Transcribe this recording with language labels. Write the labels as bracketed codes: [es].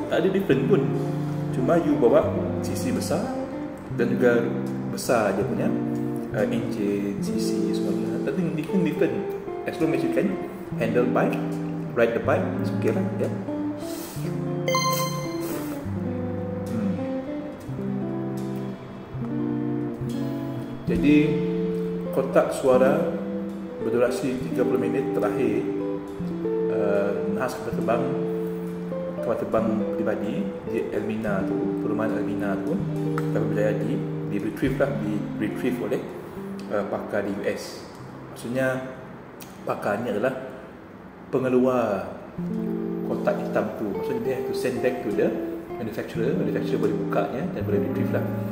[ms] Tak ada difference pun, cuma you bawa sisi besar dan juga besar dia punya engine, sisi semuanya. Tapi different. [en] As long as you can handle bike, ride the bike, it's okay lah, yeah. [ms] Jadi kotak suara berdurasi 30 minit terakhir nahas kapal terbang pribadi di Elmina tu, perumahan Elmina tu, tapi berjaya di retrieve oleh pakar di US. Maksudnya pakarnya adalah pengeluar kotak hitam tu. Maksudnya dia [en] have to send back to the manufacturer. [ms] Manufacturer boleh buka ya, dan boleh retrieve lah.